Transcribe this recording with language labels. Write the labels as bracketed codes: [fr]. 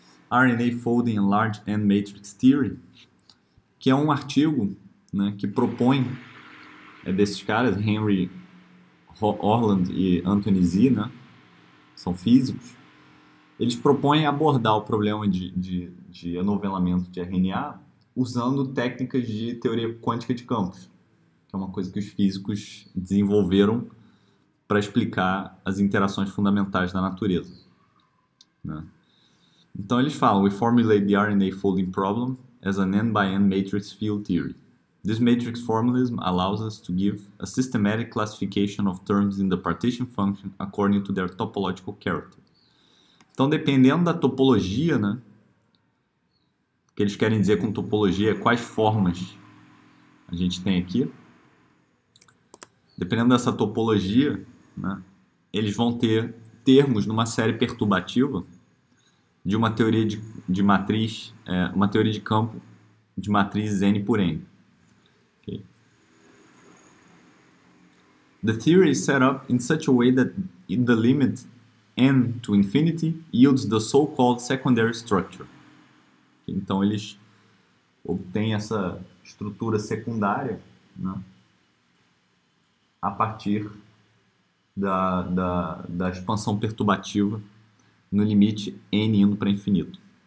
[pt] RNA Folding Large N Matrix Theory, que é um artigo, né, que propõe, é desses caras, Henry Orland e Anthony Zee, né, são físicos, eles propõem abordar o problema de anovelamento de RNA usando técnicas de teoria quântica de campos, que é uma coisa que os físicos desenvolveram para explicar as interações fundamentais da natureza, né. Então eles falam: [en] "We formulate the RNA folding problem as an n-by-n matrix field theory. This matrix formalism allows us to give a systematic classification of terms in the partition function according to their topological character." [pt] Então, dependendo da topologia, né, que eles querem dizer com topologia, quais formas a gente tem aqui, dependendo dessa topologia, né, eles vão ter termos numa série perturbativa de uma teoria de matriz, uma teoria de campo de matrizes N por N. [en] "The theory is set up in such a way that in the limit N to infinity yields the so-called secondary structure." [pt] Então eles obtêm essa estrutura secundária, né, a partir da expansão perturbativa no limite n indo para infinito.